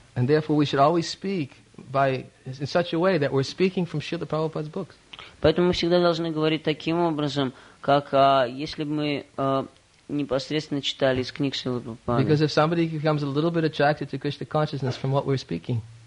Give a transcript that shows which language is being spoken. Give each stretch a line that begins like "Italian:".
English: And therefore we should always speak in such a way that we're speaking from Srila Prabhupada's books.
Russian: Поэтому мы всегда должны говорить таким образом, как если бы мы непосредственно читали из книг Шрилы Прабхупады.
English: Because if somebody becomes a little bit attracted to Krishna consciousness from what we're speaking.